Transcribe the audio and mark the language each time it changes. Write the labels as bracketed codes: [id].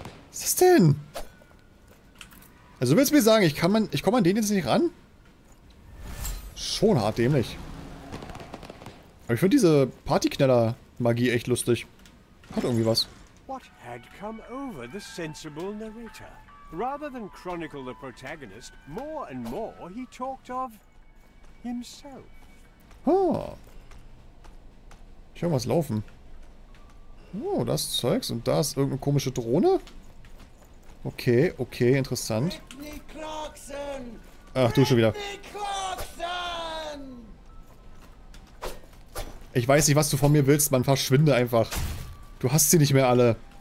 [de] Was ist das denn? Also willst du mir sagen, ich komme an den jetzt nicht ran? Schon hart dämlich. Aber ich finde diese Partyknaller-Magie echt lustig. Hat irgendwie was. [en] What had come over the sensible narrator? Rather than chronicle the protagonist, more and more he talked of himself. [de] Oh. Ich höre was laufen. Oh, das Zeugs und da ist irgendeine komische Drohne. Okay, okay, interessant. Ach, du schon wieder. Ich weiß nicht, was du von mir willst, Mann. Verschwinde einfach. Du hast sie nicht mehr alle.